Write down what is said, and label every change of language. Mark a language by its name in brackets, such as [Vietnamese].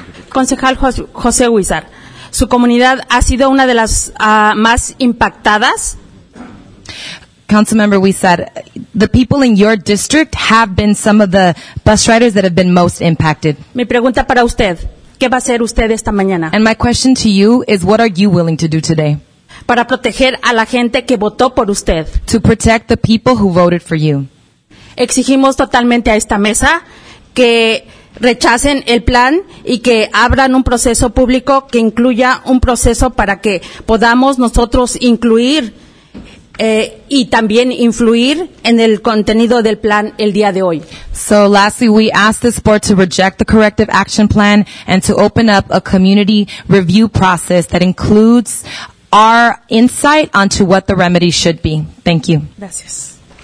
[Spanish] Concejal José Huizar, su comunidad ha sido una de las más impactadas. [English] Councilmember, we said the people in your district have been some of the bus riders that have been most impacted. [Spanish] Mi pregunta para usted, ¿qué va a hacer usted esta mañana? [English] And my question to you is, what are you willing to do today? [Spanish] Para proteger a la gente que votó por usted. [English] To protect the people who voted for you. [Spanish] Exigimos totalmente a esta mesa que rechacen el plan y que abran un proceso público que incluya un proceso para que podamos nosotros incluir y también influir en el contenido del plan el día de hoy. [English] So lastly, we ask this board to reject the corrective action plan and to open up a community review process that includes our insight onto what the remedy should be. Thank you. [Spanish] Gracias.